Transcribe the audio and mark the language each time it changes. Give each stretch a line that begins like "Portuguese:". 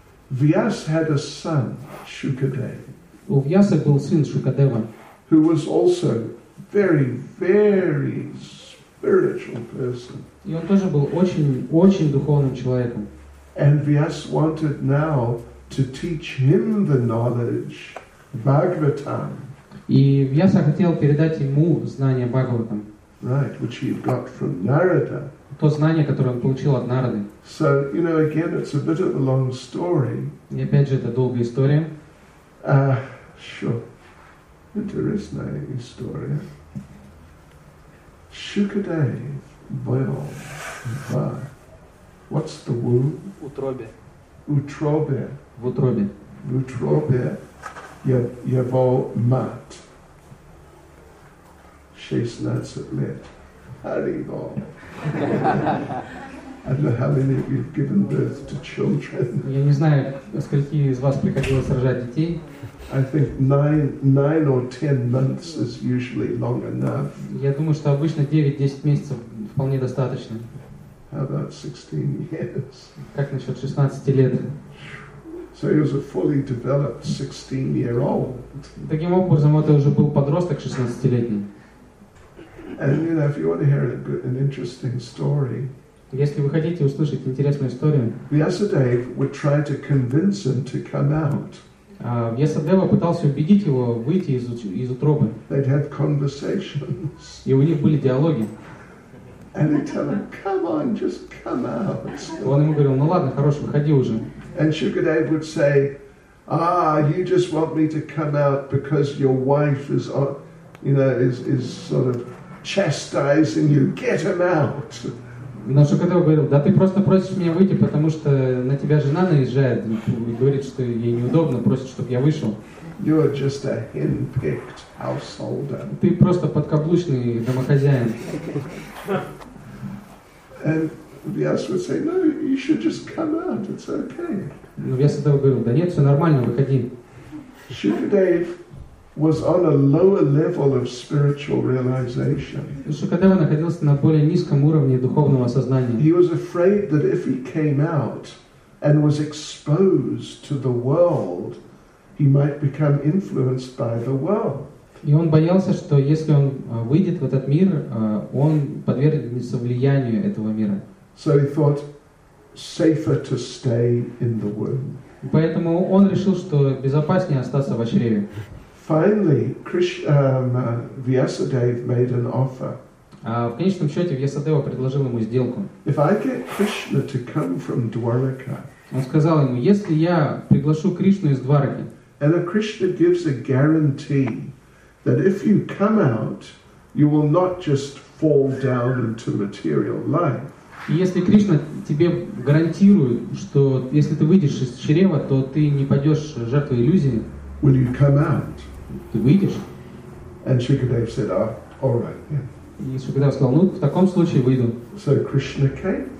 English: Vyas had a son, Shukadeva.
Russian: У Вьяса был сын Шукадева.
English: Who was also very, very spiritual person.
Russian: И он тоже был очень-очень духовным человеком.
English: And Vyas wanted now to teach him the knowledge, Bhagavatam.
Russian: И Вьяса хотел передать ему знания Бхагаватам.
English: Right, which he got from Narada.
Russian: То знание, которое он получил от Нарады.
English: So, you know, again, it's a bit of a long story.
Russian: И опять же, это долгая история.
English: Sure. Interesting story. Shukadev
Russian: был в...
English: What's the womb?
Russian: Утробе. Утробе. В утробе. В утробе его мать. 16 лет. Haribo.
English: I don't know how many of you have given birth to children.
Russian: Я не знаю, скольки из вас приходилось рожать детей.
English: I think nine or ten months is usually long enough.
Russian: Я думаю, что обычно 9-10 месяцев вполне достаточно.
English: How about 16 years?
Russian: Как насчет 16 лет?
English: So he was a fully developed 16-year-old.
Russian: Таким образом, это уже был подросток 16-летний.
English: And you know, if you want to hear a good, an interesting story,
Russian: если вы хотите услышать интересную историю,
English: Vyasadeva would try to convince him to come out.
Russian: Vyasadeva пытался убедить его выйти из утробы.
English: They'd have conversations.
Russian: И у них были диалоги.
English: And he'd tell him, "Come on, just come out."
Russian: Он ему говорил: "Ну ладно, хорош, выходи уже."
English: And Shukadev would say, "Ah, you just want me to come out because your wife is, you know, is sort of." Chastising you, get him out.
Russian: На что Шукадева говорил: да ты просто просишь меня выйти, потому что на тебя жена наезжает и говорит, что ей неудобно, просит, чтобы я вышел.
English: You're just a henpecked householder.
Russian: Ты просто подкаблучный домохозяин.
English: And Vyas would say, no, you should just come out, it's okay.
Russian: Но Вьяс говорил: да нет, все нормально, выходи.
English: Шукадев was on a lower level of spiritual realization.
Russian: Шукадева находился на более низком уровне духовного сознания.
English: He was afraid that if he came out and was exposed to the world, he might become influenced by the world.
Russian: И он боялся, что если он выйдет в этот мир, он подвергнется влиянию этого мира.
English: So he thought safer to stay in the womb.
Russian: Поэтому он решил, что безопаснее остаться в чреве.
English: Finally, Vyasadeva made an offer.
Russian: В конечном счете Вьясадева предложил ему сделку.
English: If I get Krishna to come from Dwaraka,
Russian: он сказал ему, если я приглашу Кришну из Двараки,
English: and if Krishna gives a guarantee that if you come out, you will not just fall down into material life.
Russian: И если Кришна тебе гарантирует, что если ты выйдешь из чрева, то ты не пойдешь жертвой иллюзии.
English: Will you come out?
Russian: Ты выйдешь?
English: And Shukadev said, all right, yeah.
Russian: И Шукадев сказал, ну, в таком случае выйду.
English: So Krishna came.